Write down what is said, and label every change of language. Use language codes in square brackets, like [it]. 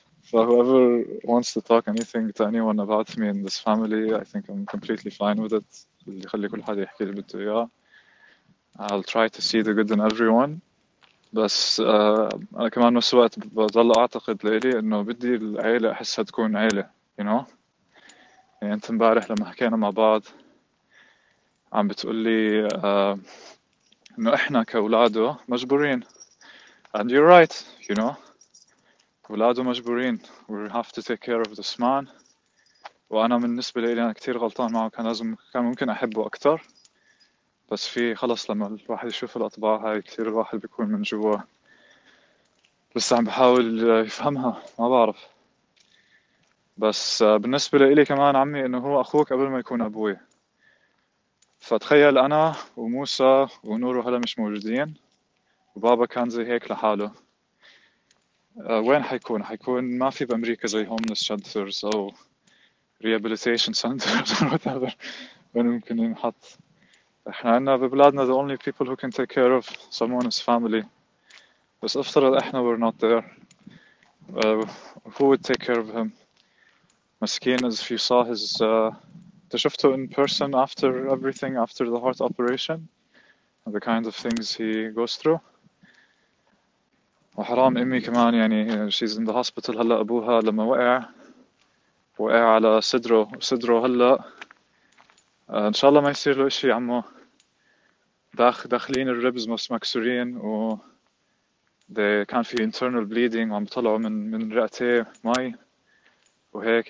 [en] So whoever wants to talk anything to anyone about me in this family I think I'm completely fine with it. [ar] اللي خلي كل حد يحكي اللي بده اياه. [en] I'll try to see the good in everyone. [ar] بس أنا كمان نفس الوقت بظل أعتقد لإلي إنه بدي العيلة أحسها تكون عيلة، [en] you know؟ [ar] يعني أنت مبارح لما حكينا مع بعض عم بتقولي إنه إحنا كأولاده مجبورين [en] And you're right, you know. [ar] ولاده مجبورين. [en] We have to take care of this man. [ar] وأنا بالنسبة لي أنا كتير غلطان معه، كان لازم، كان ممكن أحبه أكتر. بس في خلص، لما الواحد يشوف الأطباع هاي كتير الواحد بيكون من جوا لسه عم بحاول يفهمها، ما بعرف. بس بالنسبة لي كمان عمي، إنه هو أخوك قبل ما يكون أبوي. فتخيل أنا وموسى ونور وهلا مش موجودين، وبابا كان زي هيك لحاله، وين حيكون؟ حيكون ما في بأمريكا زي [en] homeless shelters [ar] أو [en] rehabilitation centers [ar] أو whatever، وين ممكن ينحط؟ إحنا عنا ببلادنا [en] the only people who can take care of someone is family. [ar] بس افترض إحنا [en] we're not there، who would take care of him؟ مسكين، as if you saw his [ar] شفته [en] in person after everything, after the heart operation and the kind of things he goes through. [ar] وحرام أمي كمان، يعني [en] she's in the hospital [ar] هلا. أبوها لما وقع على صدره هلا، إن شاء الله ما يصير له إشي. عمو داخلين الريبز مكسورين، و كان في [en] internal bleeding [ar] وعم طلعوا من رئتيه مي وهيك.